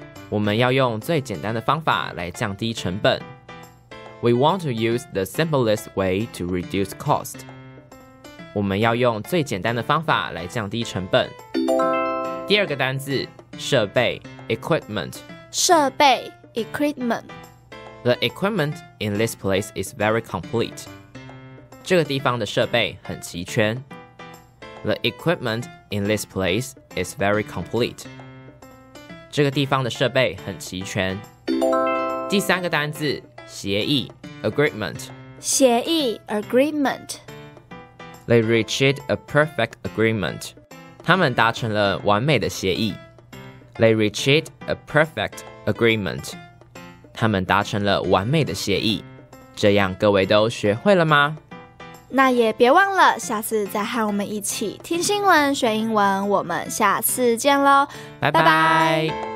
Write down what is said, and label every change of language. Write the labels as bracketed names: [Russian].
[Chinese] 我们要用最简单的方法来降低成本。 [English] We want to use the simplest way to reduce cost。 [Chinese] 我们要用最简单的方法来降低成本。第二个单字，设备 equipment。设备 equipment。 [English] The equipment in this place is very complete。 [Chinese] 这个地方的设备很齐全。 [English] The equipment in this place is very complete。 [Chinese] 这个地方的设备很齐全。第三个单字，协议 agreement。协议 agreement。 [English] They reached a perfect agreement。 [Chinese] 他们达成了完美的协议。 [English] They reached a perfect agreement. [Chinese] 他们达成了完美的协议。这样各位都学会了吗？那也别忘了下次再和我们一起听新闻学英文。我们下次见咯。拜拜。